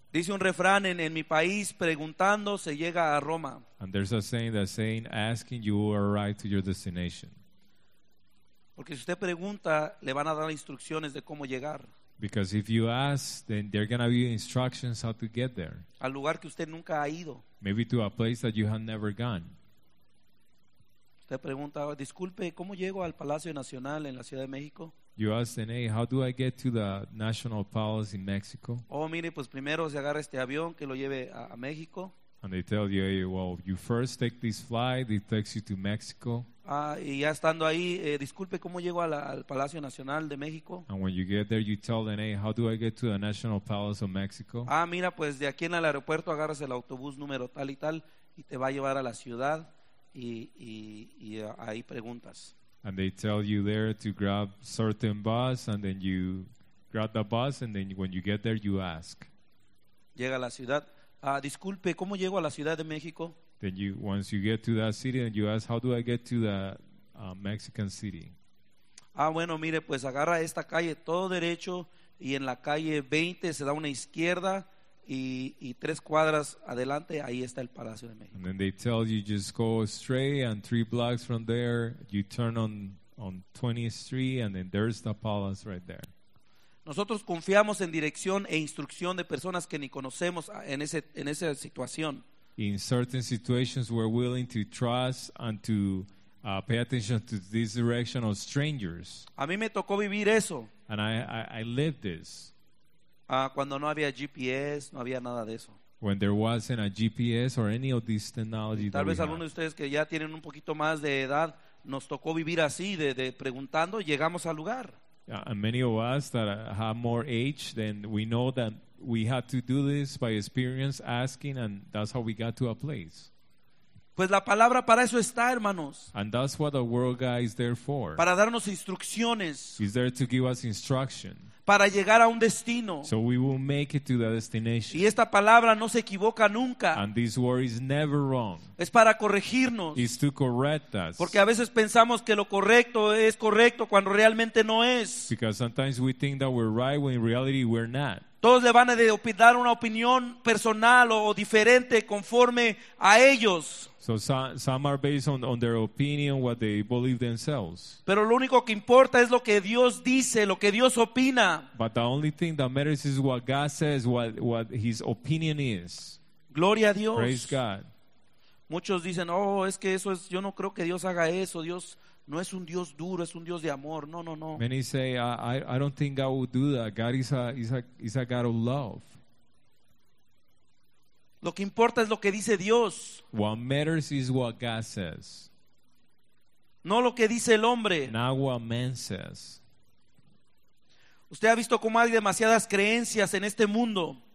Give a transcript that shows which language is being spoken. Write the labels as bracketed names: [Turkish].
[Spanish] Dice un refrán en mi país, preguntando se llega a Roma. [English] And there's a saying that's saying, asking you will arrive to your destination. [Spanish] Porque si usted pregunta, le van a dar instrucciones de cómo llegar. [English] Because if you ask, then there are going to be instructions how to get there. [Spanish] Al lugar que usted nunca ha ido. [English] Maybe to a place that you have never gone. [Spanish] Usted pregunta, disculpe, ¿cómo llego al Palacio Nacional en la Ciudad de México? [English] You ask them, hey, how do I get to the National Palace in Mexico? [Spanish] Oh, mire, pues primero se agarra este avión que lo lleve a México. [English] And they tell you, hey, well, you first take this flight, it takes you to Mexico. [Spanish] Y ya estando ahí, disculpe, ¿cómo llego al Palacio Nacional de México? [English] And when you get there, you tell them, hey, how do I get to the National Palace of Mexico? [Spanish] Ah, mira, pues de aquí en el aeropuerto agarras el autobús número tal y tal y te va a llevar a la ciudad y ahí preguntas. [English] And they tell you there to grab certain bus, and then you grab the bus, and then when you get there, you ask. [Spanish] Llega a la ciudad. Disculpe, ¿cómo llego a la Ciudad de México? [English] Then you, once you get to that city, then you ask, how do I get to the Mexican city? [Spanish] Ah, bueno, mire, pues agarra esta calle todo derecho, y en la calle 20 se da una izquierda, y tres cuadras adelante, ahí está el Palacio de México. [English] And then they tell you, just go straight, and three blocks from there, you turn on 20th Street, and then there's the palace right there. [Spanish] Nosotros confiamos en dirección e instrucción de personas que ni conocemos en esa situación. [English] In certain situations, we're willing to trust and to pay attention to this direction of strangers. [Spanish] A mí me tocó vivir eso. [English] And I lived this. [Spanish] Cuando no había GPS, no había nada de eso. [English] When there wasn't a GPS or any of this technology. [Spanish] Tal vez algunos de ustedes que ya tienen un poquito más de edad, nos tocó vivir así, de preguntando, llegamos al lugar. [English] And many of us that have more age, then we know that we had to do this by experience, asking, and that's how we got to a place. [Spanish] Pues la palabra para eso está, hermanos. [English] And that's what the word of God is there for. [Spanish] Para darnos instrucciones. [English] Is there to give us instruction. [Spanish] Para llegar a un destino. [English] So we will make it to the destination. [Spanish] Y esta palabra no se equivoca nunca. [English] And this word is never wrong. [Spanish] Es para corregirnos. [English] It's to correct us. [Spanish] Porque a veces pensamos que lo correcto es correcto cuando realmente no es. [English] Because sometimes we think that we're right when in reality we're not. [Spanish] Todos le van a dar una opinión personal o diferente conforme a ellos. [English] So some are based on their opinion, what they believe themselves. [Spanish] Pero lo único que importa es lo que Dios dice, lo que Dios opina. [English] But the only thing that matters is what God says, what his opinion is. [Spanish] Gloria a Dios. [English] Praise God. [Spanish] Muchos dicen, oh, es que eso es, yo no creo que Dios haga eso. Dios no es un Dios duro, es un Dios de amor. [English] No, no, no. Many say, I don't think God would do that. God is a God of love. [Spanish] Lo que importa es lo que dice Dios. [English] What matters is what God says. [Spanish] No lo que dice el hombre. [English] Not what man says. [Spanish] Usted ha visto cómo hay demasiadas creencias en este mundo.